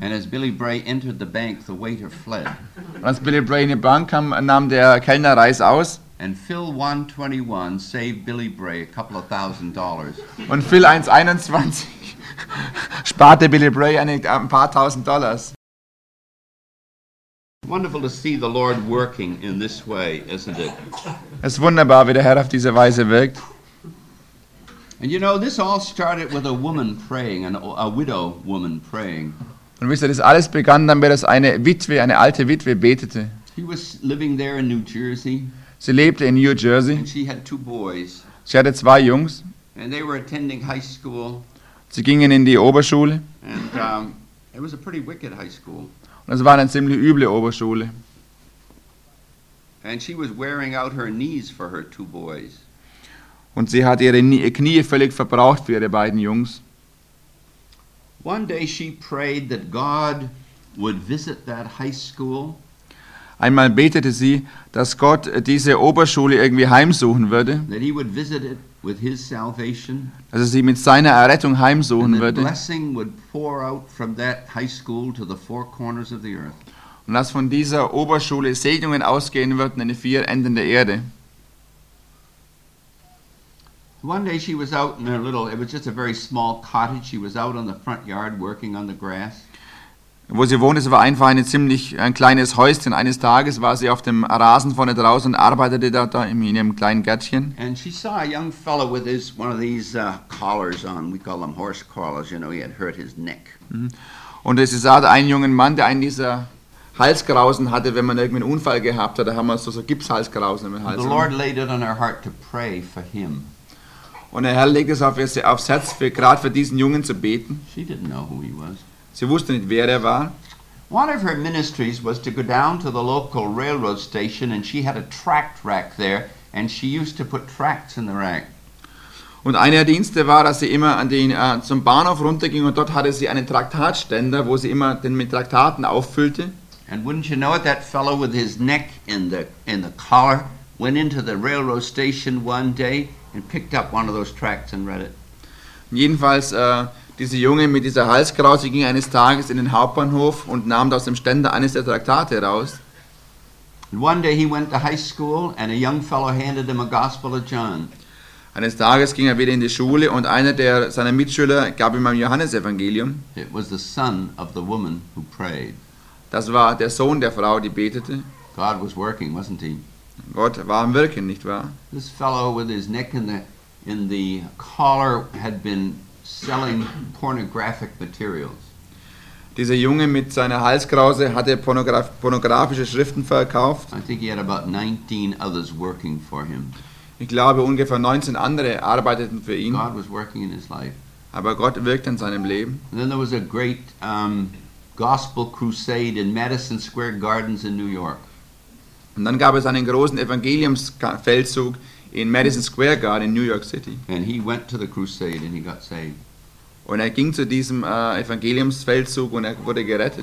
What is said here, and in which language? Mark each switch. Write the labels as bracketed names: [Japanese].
[English] And as Billy Bray entered the bank, the waiter fled. [German] Und als Billy Bray in die Bank kam, nahm der Kellner Reis aus. [English] And Phil 121 saved Billy Bray a couple of thousand dollars. [German] Und Phil 121 sparte Billy Bray ein paar tausend Dollars. [English] Wonderful to see the Lord working in this way, isn't it? [German] Es ist wunderbar, wie der Herr auf diese Weise wirkt. [English] And you know, this all started with a woman praying, a widow woman praying. [German] Und wisst ihr, das alles begann damit, dass eine alte Witwe betete. [English] She was living there in New Jersey. [German] Sie lebte in New Jersey. [English] And she had two boys. [German] Sie hatte zwei Jungs. [English] And they were attending high school. [German] Sie gingen in die Oberschule. [English] And it was a pretty wicked high school. [German] Und es war eine ziemlich üble Oberschule. [English] And she was wearing out her knees for her two boys. [German] Und sie hat ihre Knie völlig verbraucht für ihre beiden Jungs. [English] One day she prayed that God would visit that high school. [German] Einmal betete sie, dass Gott diese Oberschule irgendwie heimsuchen würde. [English] That he would visit it with his salvation. [German] Dass er sie mit seiner Errettung heimsuchen würde. [English] And the blessing would pour out from that high school to the four corners of the earth. [German] Und dass von dieser Oberschule Segnungen ausgehen würden in die vier Enden der Erde. [English] One day she was out in her little, it was just a very small cottage, she was out on the front yard working on the grass. [German] Wo sie wohnte, es war einfach ein kleines Häuschen. Eines Tages war sie auf dem Rasen vorne draußen und arbeitete da in ihrem kleinen Gärtchen. [English] And she saw a young fellow with his, one of these collars on, we call them horse collars, you know, he had hurt his neck. [German] Und sie sah da einen jungen Mann, der einen dieser Halskrausen hatte, wenn man irgendeinen Unfall gehabt hat, da haben wir so Gipshalskrausen im Hals. [English] The Lord laid it on her heart to pray for him. [German] Und der Herr legte es aufs Herz, gerade für diesen Jungen zu beten. [English] She didn't know who he was. [German] Sie wusste nicht, wer er war. [English] One of her ministries was to go down to the local railroad station, and she had a tract rack there, and she used to put tracts in the rack. [German] Und einer der Dienste war, dass sie immer zum Bahnhof runterging, und dort hatte sie einen Traktatständer, wo sie immer den mit Traktaten auffüllte. [English] And wouldn't you know it, that fellow with his neck in the collar went into the railroad station one day and picked up one of those tracts and read it. [German] Jedenfalls, diese Junge mit dieser Halskrause ging eines Tages in den Hauptbahnhof und nahm aus dem Ständer eines der Traktate raus. [English] And one day he went to high school and a young fellow handed him a Gospel of John. [German] Eines Tages ging wieder in die Schule und einer der seiner Mitschüler gab ihm ein Johannesevangelium. [English] It was the son of the woman who prayed. [German] Das war der Sohn der Frau, die betete. [English] God was working, wasn't he? [German] Gott war am Wirken, nicht wahr? [English] This fellow with his neck in the collar had been selling pornographic materials. [German] Dieser Junge mit seiner Halskrause hatte pornografische Schriften verkauft. [English] I think he had about 19 others working for him. [German] Ich glaube, ungefähr 19 andere arbeiteten für ihn. [English] God was working in his life. [German] Aber Gott wirkte in seinem Leben. [English] And then there was a great gospel crusade in Madison Square Gardens in New York. [German] Und dann gab es einen großen Evangeliumsfeldzug in Madison Square Garden in New York City. [English] And he went to the crusade and he got saved. [German] Und er ging zu diesem Evangeliumsfeldzug und er wurde gerettet.